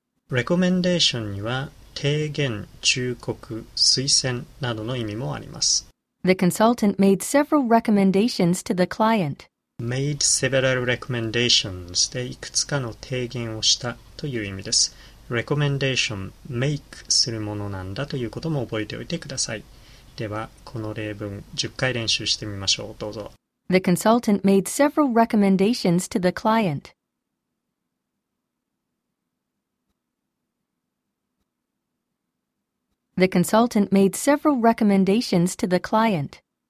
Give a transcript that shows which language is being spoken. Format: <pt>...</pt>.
<ja>Recommendation には提言、忠告、推薦などの意味もあります。</ja> <en>The consultant made several recommendations to the client.</en> <ja>Made several recommendations でいくつかの提言をしたという意味です。 Recommendation, make するものなんだということも覚えておいてください。では、この例文10回練習してみましょう。どうぞ。</ja> <en>The consultant made several recommendations to the client. The consultant made several recommendations to the client.</en>